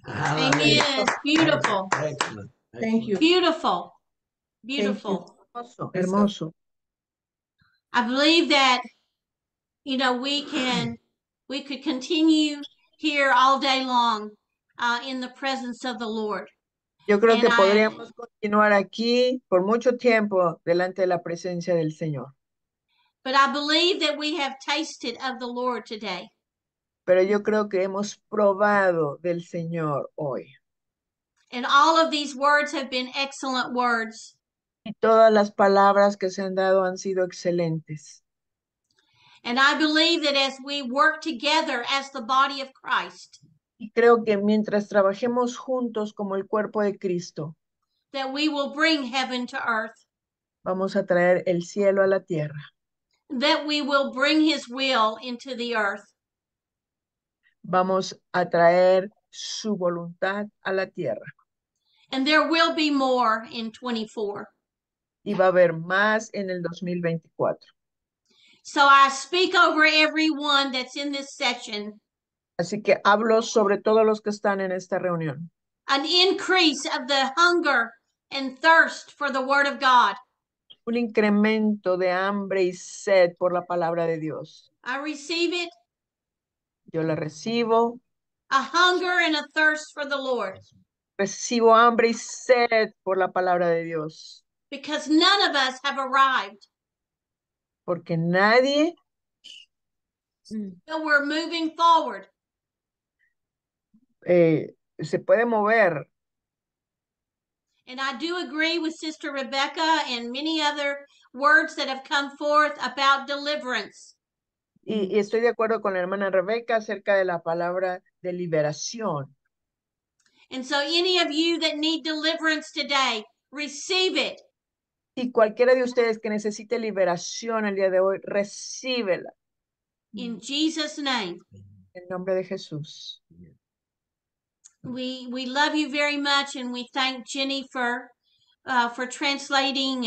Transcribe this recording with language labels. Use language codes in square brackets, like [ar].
[en] Amen. It's beautiful. Thank you. Beautiful. [es] Hermoso. [en] I believe that, you know, we could continue here all day long in the presence of the Lord. [es] Yo creo que podríamos continuar aquí por mucho tiempo delante de la presencia del Señor. [en] But I believe that we have tasted of the Lord today. [es] Pero yo creo que hemos probado del Señor hoy. [en] And all of these words have been excellent words. [es] Y todas las palabras que se han dado han sido excelentes. [en] And I believe that as we work together as the body of Christ, [es] y creo que mientras trabajemos juntos como el cuerpo de Cristo, [en] that we will bring heaven to earth. [es] Vamos a traer el cielo a la tierra. [en] That we will bring his will into the earth. [es] Vamos a traer su voluntad a la tierra. [en] And there will be more in 24. [es] Y va a haber más en el 2024. [en] So I speak over everyone that's in this session. [es] Así que hablo sobre todos los que están en esta reunión. [en] An increase of the hunger and thirst for the word of God. [es] Un incremento de hambre y sed por la palabra de Dios. [en] I receive it. [es] Yo la recibo. [en] A hunger and a thirst for the Lord. [es] Recibo hambre y sed por la palabra de Dios. [en] Because none of us have arrived. [es] Porque nadie [en] So we're moving forward. [es] Se puede mover. [en] And I do agree with Sister Rebecca and many other words that have come forth about deliverance. [es] Y estoy de acuerdo con la hermana Rebecca acerca de la palabra de liberación. [en] And so any of you that need deliverance today, receive it. [es] Y cualquiera de ustedes que necesite liberación el día de hoy, recíbela. [en] In Jesus' name. [es] En nombre de Jesús. [en] We love you very much, and we thank Jenny for translating.